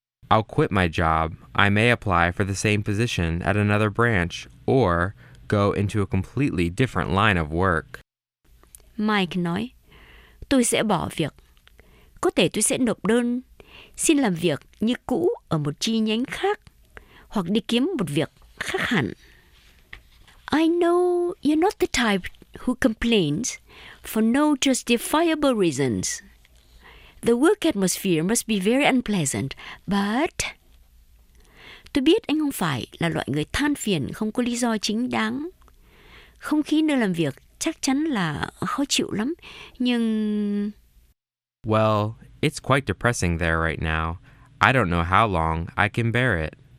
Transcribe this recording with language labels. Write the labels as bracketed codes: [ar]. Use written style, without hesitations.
[en] I'll quit my job. I may apply for the same position at another branch or go into a completely different line of work. [vi] Mike nói, tôi sẽ bỏ việc. Có thể tôi sẽ nộp đơn, xin làm việc như cũ ở một chi nhánh khác, hoặc đi kiếm một việc khác hẳn. [en] I know you're not the type who complains for no justifiable reasons. The work atmosphere must be very unpleasant, but... [vi] Tôi biết anh không phải là loại người than phiền không có lý do chính đáng. Không khí nơi làm việc chắc chắn là khó chịu lắm, nhưng... [en] Well, it's quite depressing there right now. I don't know how long I can bear it.